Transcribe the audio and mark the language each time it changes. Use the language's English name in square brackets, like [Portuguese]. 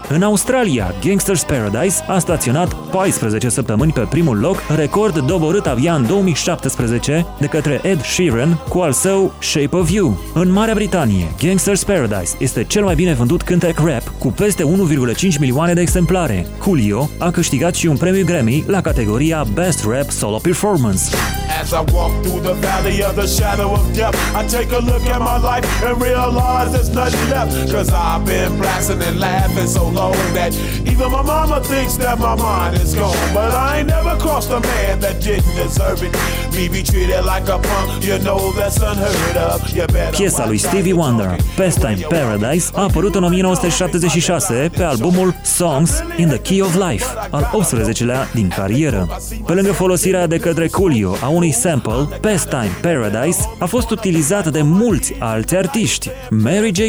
[Romanian] În Australia, Gangster's Paradise a staționat 14 săptămâni pe primul loc, record doborât abia în 2017 de către Ed Sheeran cu al său Shape of You. În Marea Britanie, Gangster's Paradise este cel mai bine vândut cântec rap cu peste 1,5 milioane de exemplare. Coolio a câștigat și un premiu Grammy la categoria Best Rap Solo Performance. [English] As I walk through the valley of the shadow of death, I take a look at my life and realize there's nothing left. Cause I've been blasting and laughing so long that even my mama thinks that my mind is gone. But I ain't never crossed a man that didn't deserve it. Me be treated like a punk, you know that's unheard of. You better. [Romanian] Piesa lui Stevie Wonder, Pastime Paradise, a apărut în 1976 pe albumul Songs in the Key of Life, al 18-lea din carieră. Pe lângă folosirea de către Coolio a unui sample, Pastime Paradise a fost utilizat de mulți alți artiști. Mary J.